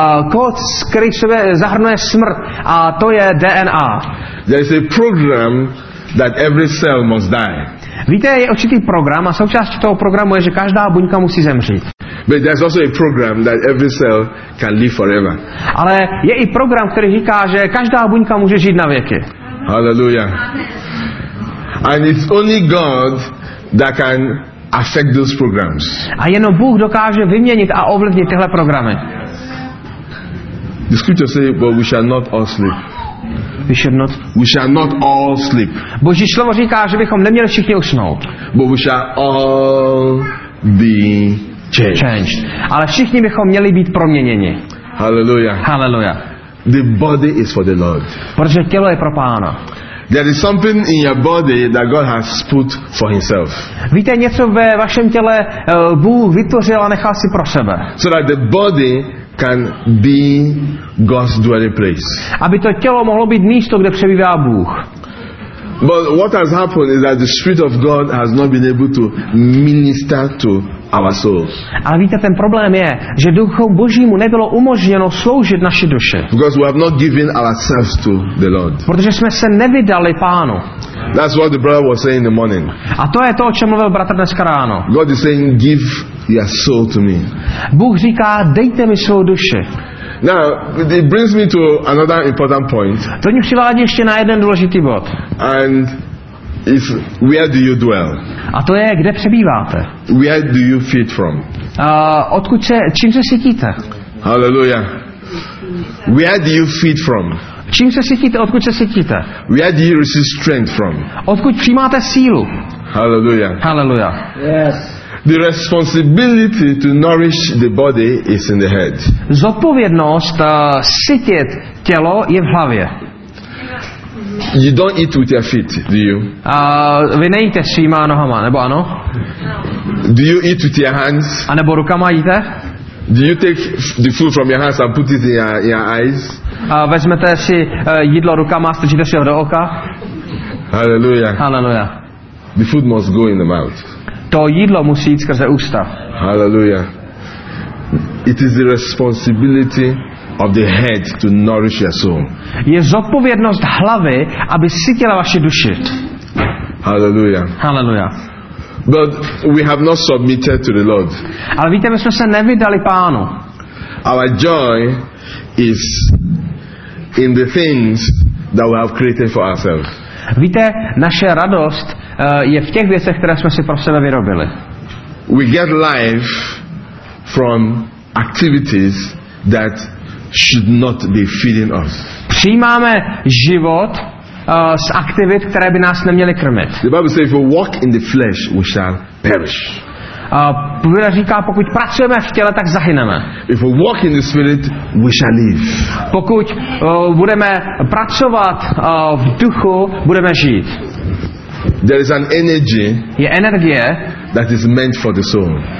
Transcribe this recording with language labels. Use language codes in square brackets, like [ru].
[cs] Kód, který v sobě zahrnuje smrt, a to je DNA. [en] There's a program that every cell must die. [cs] Víte, je určitý program a součástí toho programu je, že každá buňka musí zemřít. [en] But there's also a program that every cell can live forever. [cs] Ale je i program, který říká, že každá buňka může žít na věky. [en] Hallelujah. And it's only God that can affect those programs. [cs] A jenom Bůh dokáže vyměnit a ovlivnit tyhle programy. [en] The scripture says, but we shall not all sleep. We shall not all sleep. [cs] Boží slovo říká, že bychom neměli všichni usnout. [en] But we shall all be changed. [cs] Ale všichni bychom měli být proměněni. [en] Hallelujah. Hallelujah. The body is for the Lord. [cs] Protože tělo je pro Pána. [en] There is something in your body that God has put for himself. [cs] Víte, něco ve vašem těle Bůh vytvořil a nechal si pro sebe. [en] So that the body can be God's dwelling place. [cs] Aby to tělo mohlo být místo, kde přebývá Bůh. [en] But what has happened is that the Spirit of God has not been able to minister to our souls. [cs] Ale víte, ten problém je, že Duchu Božímu nebylo umožněno sloužit naši duše. [en] Because we have not given ourselves to the Lord. [cs] Protože jsme se nevydali Pánu. [en] That's what the brother was saying in the morning. [cs] A to je to, o čem mluvil bratr dneska ráno. [en] God is saying, give your soul to me. [cs] Bůh říká, dejte mi svou duši. [en] Now, it brings me to another important point. [cs] To mě přivádí ještě na jeden důležitý bod. [en] And it's, where do you dwell? [cs] A to je, kde přebýváte? [en] Where do you feed from? [cs] Odkud se, čím se sytíte? [en] Hallelujah. Where do you feed from? [cs] Čím se sytíte, odkud se sytíte? [en] Where do you receive strength from? [cs] Odkud přijímáte sílu? [en] Hallelujah. Hallelujah. Yes. The responsibility to nourish the body is in the head. [cs] Zodpovědnost sytit tělo je v hlavě. [en] You don't eat with your feet, do you? [cs] Vy nejíte svýma nohama, nebo ano? [en] Do you eat with your hands? [cs] A nebo rukama jíte? [en] Do you take the food from your hands and put it in your eyes? [cs] Vezmete si jídlo rukama a strčíte si ho do oka? [en] Hallelujah. Hallelujah. The food must go in the mouth. [cs] To jídlo musí jít skrze ústa. [en] Hallelujah. It is the responsibility of the head to nourish your soul. [cs] Je zodpovědnost hlavy, aby sytila vaši duši. [en] Hallelujah. Hallelujah. But we have not submitted to the Lord. [cs] Ale víte, my jsme se nevydali Pánu. [en] Our joy is in the things that we have created for ourselves. [cs] Víte, naše radost je v těch věcech, které jsme si pro sebe vyrobili. [en] We get life from activities that should not be feeding us. [cs] Přijímáme život z aktivit, které by nás neměly krmit. [en] The Bible says, if we walk in the flesh, we shall perish. [cs] Bible říká, pokud pracujeme v těle, tak zahyneme. [en] If we walk in the spirit, we shall live. [cs] Pokud budeme pracovat v duchu, budeme žít. [en] There is an energy. [cs] Je energie, [en] that is meant for the soul.